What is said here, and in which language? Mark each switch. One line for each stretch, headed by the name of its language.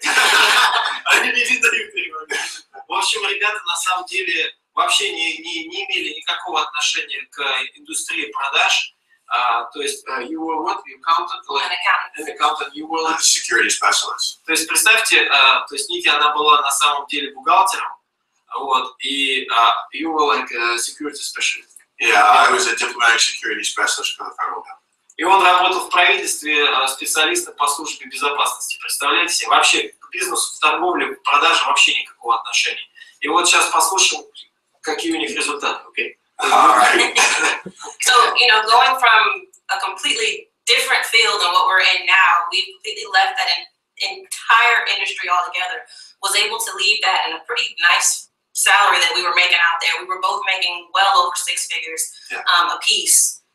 English: I didn't even think about it.
Russian: В общем, ребята на самом деле вообще не имели никакого отношения к индустрии продаж. То есть,
English: you were what? An accountant. You were like a security specialist.
Russian: То есть, представьте, то есть Ники, она была на самом деле бухгалтером, вот, и
English: you were like a security specialist. Yeah, I was a diplomatic security specialist for the federal government.
Russian: И он работал в правительстве специалистом по службе безопасности. Представляете себе? Вообще к бизнесу, в торговле, к продаже вообще никакого отношения. И вот сейчас послушаем, какие у них результаты.
English: Okay. Right. So, you know, going from a completely different field than what we're in now, we completely left that entire industry altogether, was able to leave that in a pretty nice salary that we were making out there. We were both making well over six figures a piece.